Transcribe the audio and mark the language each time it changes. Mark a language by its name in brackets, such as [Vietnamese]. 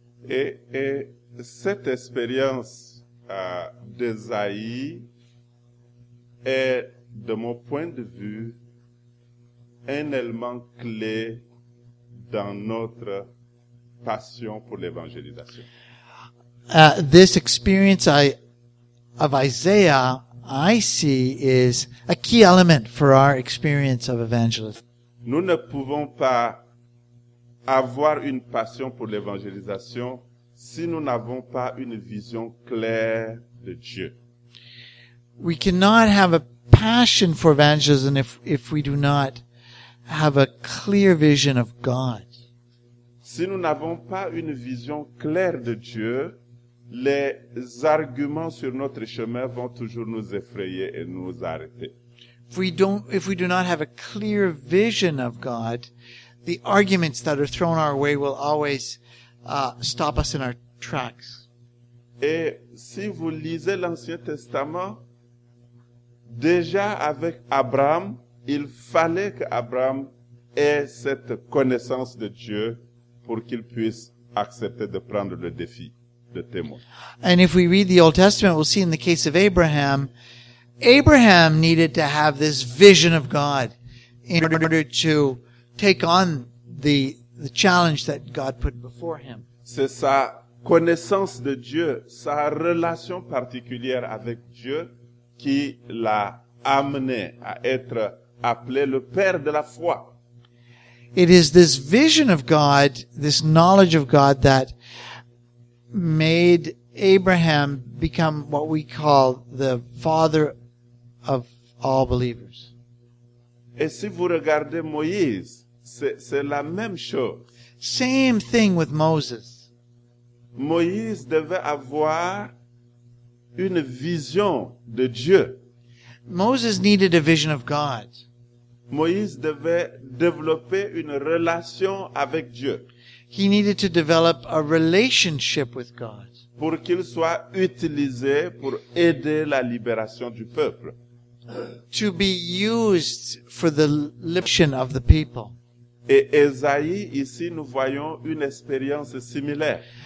[French] Et cette expérience d'Esaïe est, de mon point de vue, un élément clé dans notre passion pour l'évangélisation. [English] This experience of Isaiah, I see, is a key element for our experience of evangelism. [French] Nous ne pouvons pas avoir une passion pour l'évangélisation si nous n'avons pas une vision claire de Dieu. [English] We cannot have a passion for evangelism if we do not have a clear vision of God. [French] Si nous n'avons pas une vision claire de Dieu, les arguments sur notre chemin vont toujours nous effrayer et nous arrêter. [English] If we do not have a clear vision of God, the arguments that are thrown our way will always stop us in our tracks. [French] Et si vous lisez l'Ancien Testament, déjà avec Abraham, il fallait que Abraham ait cette connaissance de Dieu pour qu'il puisse accepter de prendre le défi de témoin. [English] And if we read the Old Testament, we'll see in the case of Abraham needed to have this vision of God in order to take on the challenge that God put before him. [French] C'est sa connaissance de Dieu, sa relation particulière avec Dieu qui l'a amené à être appelé le père de la foi. [English] It is this vision of God, this knowledge of God that made Abraham become what we call the father of all believers. [French] Et si vous regardez Moïse, c'est la même chose. [English] Same thing with Moses. [French] Moïse devait avoir une vision de Dieu. [English] Moses needed a vision of God. [French] Moïse devait développer une relation avec Dieu. [English] He needed to develop a relationship with God. [French] Pour qu'il soit utilisé pour aider la libération du peuple. [English] To be used for the liberation of the people. [French] Et Esaïe, ici, nous voyons une expérience similaire.